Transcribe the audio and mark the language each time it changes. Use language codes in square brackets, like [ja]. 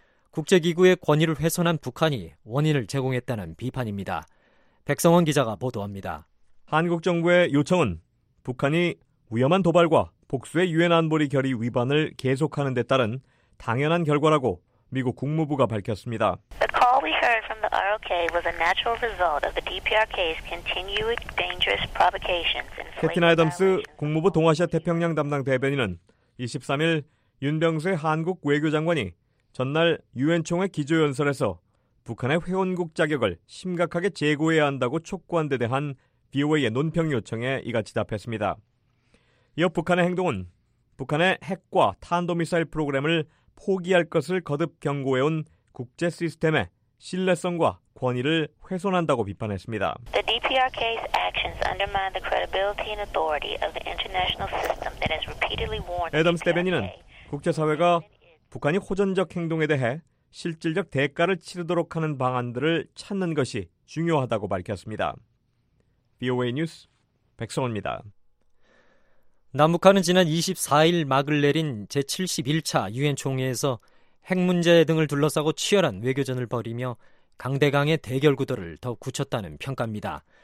[ko] 국제기구의 권위를 훼손한 북한이 원인을 제공했다는 비판입니다. 백성원 기자가 보도합니다. 한국 정부의 요청은 북한이 위험한 도발과 복수의 유엔 안보리 결의 위반을 계속하는 데 따른 당연한 결과라고 미국 국무부가 밝혔습니다. [en] The call we heard from the ROK was a natural result of the DPRK's continued dangerous provocations. [ko] 캐티나 애덤스 국무부 동아시아 태평양 담당 대변인은 23일 윤병세 한국 외교장관이 전날 유엔 총회 기조연설에서 북한의 회원국 자격을 심각하게 재고해야 한다고 촉구한 데 대한 BOA의 논평 요청에 이같이 답했습니다. 이어 북한의 행동은 북한의 핵과 탄도미사일 프로그램을 포기할 것을 거듭 경고해온 국제 시스템의 신뢰성과 권위를 훼손한다고 비판했습니다. [en] The DPRK's actions undermine the credibility and authority of the international system that has repeatedly warned. [ko] 애덤스 대변인은 국제사회가 북한이 호전적 행동에 대해 실질적 대가를 치르도록 하는 방안들을 찾는 것이 중요하다고 밝혔습니다. BOA 뉴스 백성원입니다. 남북한은 지난 24일 막을 내린 제71차 유엔 총회에서 핵 문제 등을 둘러싸고 치열한 외교전을 벌이며 강대강의 대결 구도를 더 굳혔다는 평가입니다.